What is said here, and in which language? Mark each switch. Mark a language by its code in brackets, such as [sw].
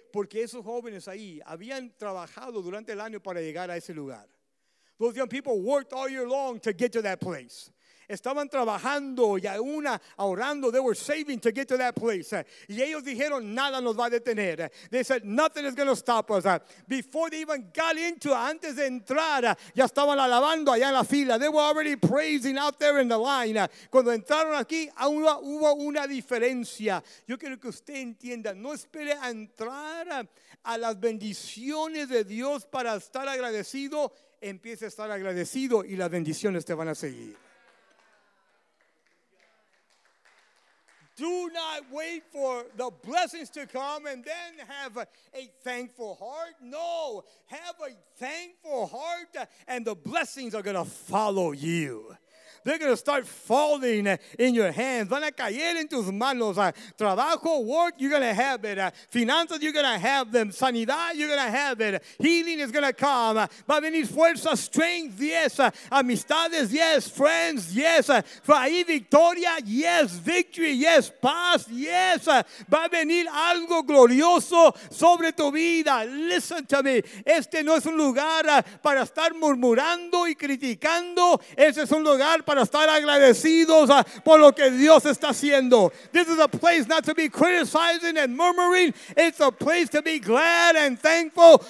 [es] Porque esos jóvenes ahí habían trabajado durante el año para llegar a ese lugar. [en] Those young people worked all year long to get to that place. [es] Estaban trabajando y una ahorrando. [en] They were saving to get to that place. [es] Y ellos dijeron, nada nos va a detener. [en] They said, nothing is going to stop us. Before they even got into, [es] antes de entrar, ya estaban alabando allá en la fila. [en] They were already praising out there in the line. [es] Cuando entraron aquí, aún hubo una diferencia. Yo quiero que usted entienda, no espere a entrar a las bendiciones de Dios para estar agradecido. Empiece a estar agradecido y las bendiciones te van a seguir. [en] Do not wait for the blessings to come and then have a thankful heart. No, have a thankful heart and the blessings are going to follow you. They're going to start falling in your hands. [es] Van a caer en tus manos. Trabajo, [en] work, you're going to have it. Finanzas, you're going to have them. Sanidad, you're going to have it. Healing is going to come. [es] Va a venir fuerza, strength, yes. Amistades, yes. [en] Friends, yes. Ahí victoria, yes. Victory, yes. [es] Paz, yes. Va a venir algo glorioso sobre tu vida. [en] Listen to me. [es] Este no es un lugar para estar murmurando y criticando. Este es un lugar para estar agradecidos por lo que Dios está haciendo. [en] This is a place not to be criticizing and murmuring. It's a place to be glad and thankful.